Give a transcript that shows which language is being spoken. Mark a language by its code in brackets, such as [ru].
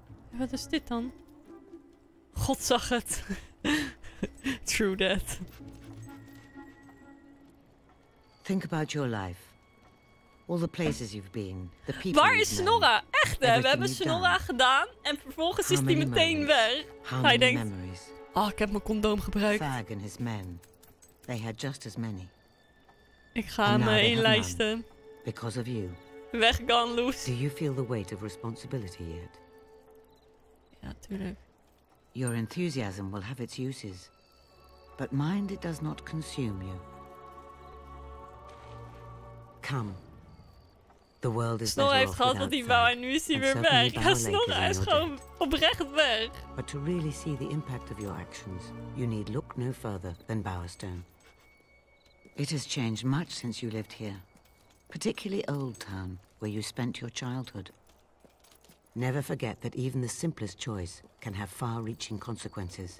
[nl] Wat is dit dan? God zag het. [en] True that. Think about your life. All the places you've been, the people. [nl] Waar is Snorra? Echt hè? We hebben Snorra gedaan en vervolgens is hij meteen weg. Hij denkt, oh, ik heb mijn condoom gebruikt. [en] Fag and his men, they had just as many. [nl] Ik ga hem inlijsten. [en] Because of you. Weg, gone loose. Do you feel the weight of responsibility yet? [nl] Ja, tuurlijk. [en] Your enthusiasm will have its uses, but mind it does not consume you. Come. The world is [nl] Snorra heeft gehad wat hij wou en nu is hij weer weg. Ja, Snorra is gewoon oprecht weg. [en] But to really see the impact of your actions, you need look no further than Bowerstone. It has changed much since you lived here. Particularly Old Town, where you spent your childhood. Never forget that even the simplest choice can have far-reaching consequences.